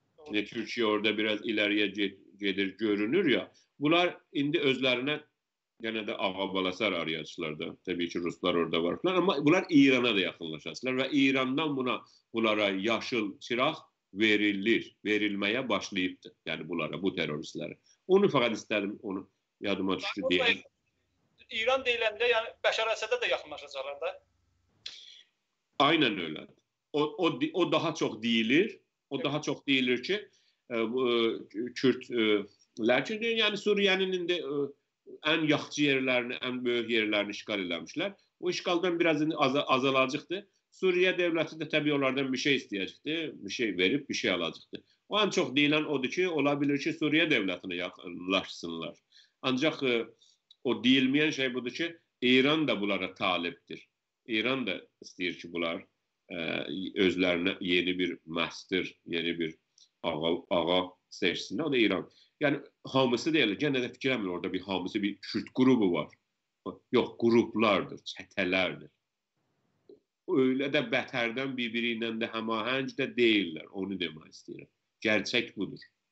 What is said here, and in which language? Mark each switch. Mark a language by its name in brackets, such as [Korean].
[Azerbaijani] Türkiyə orada biraz ileriye gedir görünür ya, bunlar indi özlərinə yenə də ağabalasar arayacılar da, təbii ki Ruslar orada var falan, amma bunlar İrana da yaxınlaşacaklar və İrandan bunlara yaşıl çıraq verilir, verilməyə başlayıbdır yəni bunlara, bu teröristlere. [Turkish] Onu fakat istedim, [Azerbaijani] onu yadıma düşdü deyelim. İran deyiləndə yani Bəşar Əsədə də yaxınlaşacaqlar da. [Turkish] Aynen öyle. O daha çok deyilir. O daha çok deyilir ki Kürtler ki yani Suriyeninin de en yaxçı yerlerini, en büyük yerlerini işgal edilmişler. O işgaldan biraz azalacaktı. Suriye devleti de tabii onlardan bir şey isteyecekti. Bir şey verip bir şey alacaktı. O en çok deyilen odur ki olabilir ki Suriye devletine yaxınlaşsınlar. Ancak o deyilmeyen şey budur ki İran da bunlara taliptir. [Azerbaijani] İran da istəyir ki, bunlar özlərinə yeni bir master, yeni bir ağa seçsinlər. O da İran. Yəni, hamısı deyilir. Yenə də fikirəmir, orada bir hamısı, bir Kürt qrubu var. Yox, qruplardır, çətələrdir. Öyle də bətərdən bir-biriyle də həmahəng də deyirlər. Onu demək istəyirəm. Gerçək budur.